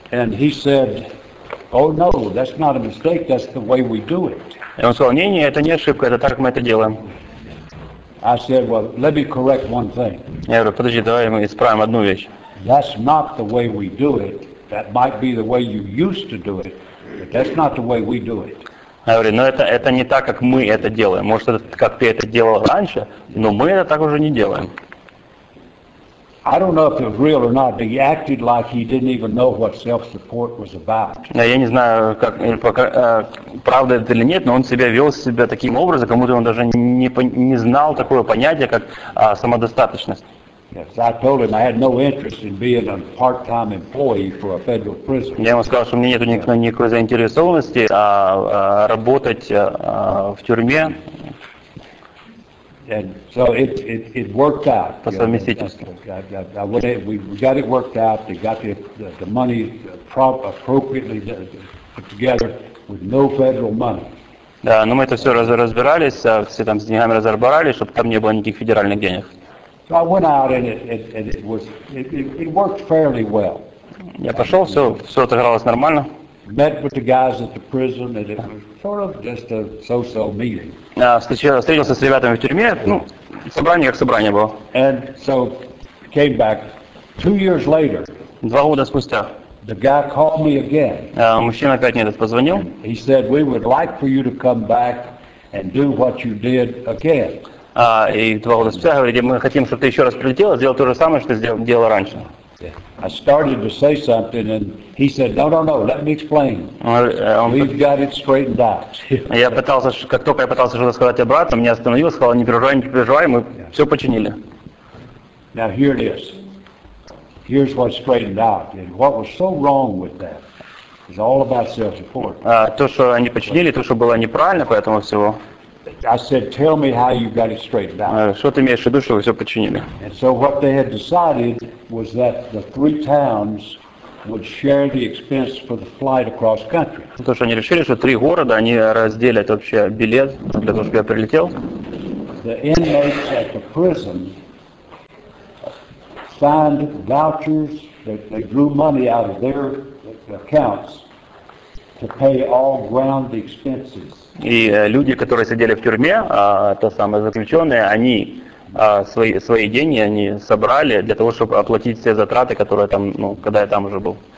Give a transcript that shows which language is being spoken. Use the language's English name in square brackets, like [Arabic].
[English] And he said, oh no, that's not a mistake, that's the way we do it. [Russian] И он сказал, не, это не ошибка, это так мы это делаем. [English] I said, well, let me correct one thing. [Russian] Я говорю, подожди, давай мы исправим одну вещь. [English] That's not the way we do it. That might be the way you used to do it, but that's not the way we do it. [Russian] Я говорю, ну это не так, как мы это делаем. Может, это как ты это делал раньше, но мы это так уже не делаем. [English] I don't know if it was real or not, but he acted like he didn't even know what self-support was about. [Russian] Я не знаю, как правда это или нет, но он себя вел себя таким образом, как будто он даже не знал такое понятие, как самодостаточность. [English] Yes, I told him I had no interest in being a part-time employee for a federal prison. [Russian] Я ему сказал, что у меня нету никакой заинтересованности работать в тюрьме. [English] And so it worked out. [Russian] По совместительству. [English] We got it worked out. They got the money appropriately put together with no federal money. [Russian] Да, но мы это все разбирались, все там с деньгами разобрались, чтобы там не было никаких федеральных денег. [English] So I went out and it worked fairly well. [Russian] Я пошел, все отыгралось нормально. [English] Met with the guys at the prison and it was sort of just a so-so meeting. [Russian] Встретился с ребятами в тюрьме, ну, собрание как собрание было. [English] And so came back 2 years later. [Russian] 2 года спустя. [English] The guy called me again. [Russian] Мужчина опять мне этот позвонил. [English] He said, "We would like for you to come back and do what you did again." [Russian] И 2 года спустя говорит, мы хотим, чтобы ты еще раз прилетел и сделал то же самое, что сделал раньше. [English] I started to say something, and he said, no, let me explain. We've got it straightened out. [Russian] Я пытался, как только я пытался что-то сказать обратно, меня остановил, сказал, не переживай, мы все починили. [English] Now here it is. Here's what's straightened out. And what was so wrong with that is all about self-support. [Russian] То, что они починили, то, что было неправильно, поэтому всего. [English] I said, tell me how you got it straightened out. [Russian] Что ты имеешь в виду, что вы все починили? [English] And so what they had decided was that the three towns would share the expense for the flight across country. [Russian] То, что они решили, что три города, они разделят вообще билет для того, чтобы я прилетел. [English] The inmates at the prison signed vouchers that they drew money out of their accounts to pay all ground expenses. [Russian] И люди, которые сидели в тюрьме, то самое заключенные, они свои деньги они собрали для того, чтобы оплатить все затраты, которые там, ну, когда я там уже был.